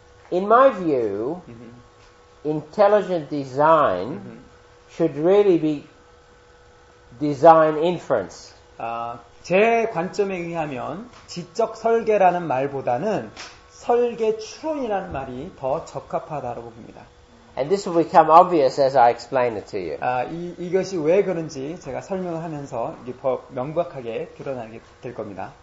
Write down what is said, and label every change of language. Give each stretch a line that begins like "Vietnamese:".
English: In my view, intelligent design should really be design inference.
Korean: 제 관점에 의하면 지적 설계라는 말보다는 설계 추론이라는 말이 더 적합하다고 봅니다.
English: And this will become obvious as I explain it to you.
Korean: 이것이 왜 그런지 제가 설명을 하면서 더 명백하게 드러나게 될 겁니다.